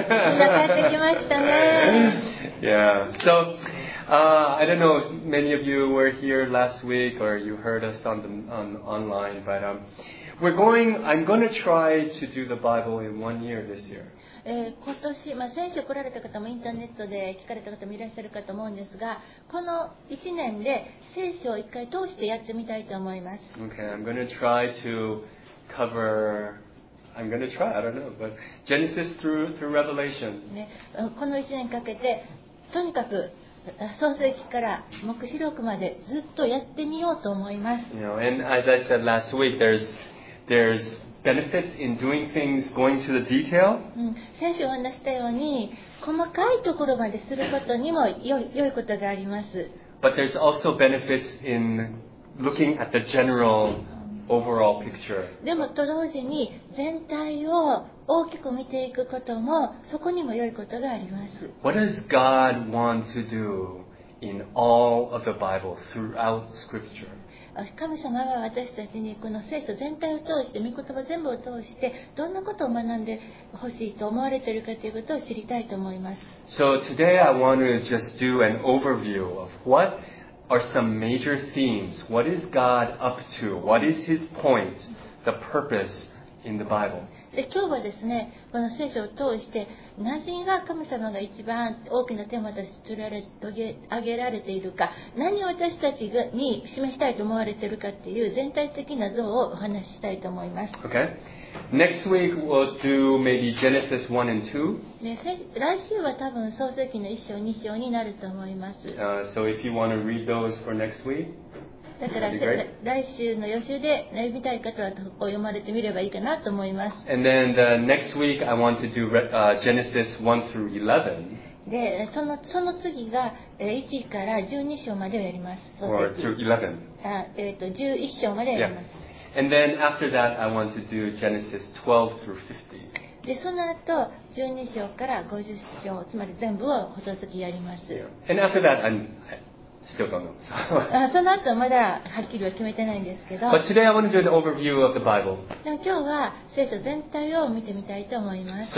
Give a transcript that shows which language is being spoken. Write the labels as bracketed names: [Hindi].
[Japanese] みんな帰ってきましたね。 [English] Yeah, so... I don't know if many of you were here last week or you heard us on the online, but I'm going to try to do the Bible in 1 year this year. [Japanese] 今年、まあ、先週来られた方もインターネットで聞かれた方もいらっしゃるかと思うんですが、この1年で聖書を一回通してやってみたいと思います。 [English] Okay, I'm going to try to cover. I'm going to try. I don't know, but Genesis through Revelation. [Japanese] ね、この1年かけてとにかく創世記から黙示録までずっとやってみようと思います。 [English] You know, and as I said last week, there's benefits in doing things, going to the detail. [Japanese] 先週お話したように細かいところまですることにも良いことがあります。 [English] But there's also benefits in looking at the general overall picture. [Japanese] でもと同時に全体を大きく見ていくこともそこにも良いことがあります。 [English] What does God want to do in all of the Bible throughout Scripture? [Japanese] 神様は私たちにこの聖書全体を通して、御言葉全部を通してどんなことを学んでほしいと思われているかということを知りたいと思います。 [English] So today I want to just do an overview of what are some major themes. What is God up to? What is His point? The purpose. In the Bible. [Japanese] で今日はですね、この聖書を通して何が神様が一番大きなテーマとして取り上げられているか、何を私たちに示したいと思われているかっていう全体的な像をお話ししたいと思います。 [English] Okay. Next week we'll do maybe Genesis 1 and 2. [Japanese] ね、来週は多分創世記の1章、2章になると思います。 [English] So if you want to read those for next week. [Japanese] だから来週の予習で読みたい方はこう読まれてみればいいかなと思います。 [English] And then the next week I want to do Genesis 1 through 11. [Japanese] で、その次が1から12章までをやります。 [English] Or through 11. [Japanese] 11章までやります。 [English] Yeah. And then after that I want to do Genesis 12 through 50. [Japanese] でその後12章から50章、つまり全部を細すぎやります。 [English] Yeah. And after that Still don't know. [Japanese] その後まだはっきりは決めてないんですけど。 [English] But today I want to do an overview of the Bible. [Japanese] でも今日は聖書全体を見てみたいと思います。